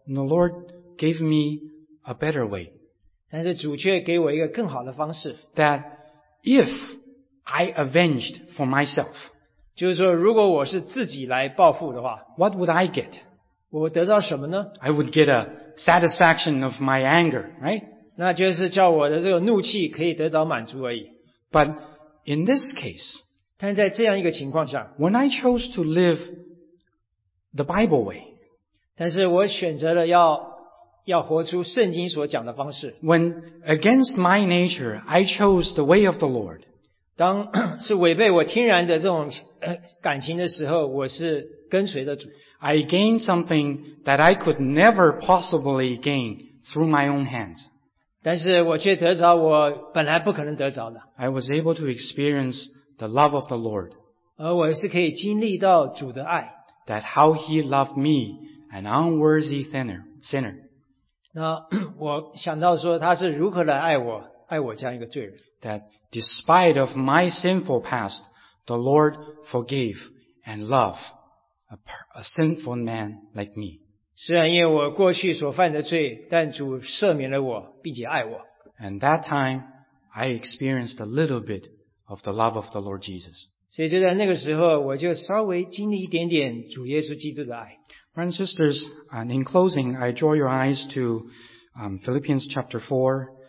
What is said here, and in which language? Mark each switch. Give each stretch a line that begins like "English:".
English: ，The Lord gave me a better way.
Chinese: 但是主却给我一个更好的方式。
English: That if I avenged for myself，
Chinese: 就是说，如果我是自己来报复的话
English: ，What would I get？
Chinese: 我得到什么呢？
English: I would get a satisfaction of my anger, right?
Chinese: 那就是叫我的这个怒气可以得到满足而已。
English: But in this case,
Chinese: 但在这样一个情况下，
English: when I chose to live the Bible way,
Chinese: 但是我选择了要活出圣经所讲的方式，
English: when against my nature, I chose the way of the Lord,
Chinese: 当是违背我天然的这种感情的时候，我是跟随着主。
English: I gained something that I could never possibly gain through my own hands.
Chinese: 但是我却得着我本来不可能得着的。
English: I was able to experience the love of the Lord.
Chinese: 而我是可以经历到主的爱。
English: That how he loved me, an unworthy sinner.
Chinese: 那我想到说他是如何来爱我，爱我这样一个罪人。
English: That despite of my sinful past, the Lord forgave and loved a sinful man like me.
Chinese: 虽然因为我过去所犯的罪，但主赦免了我，并且爱我。
English: And that time, I experienced a little bit of the love of the Lord Jesus.
Chinese: 所以就在那个时候，我就稍微经历一点点主耶稣基督的爱。
English: Friends and sisters, and in closing, I draw your eyes to Philippians chapter 4.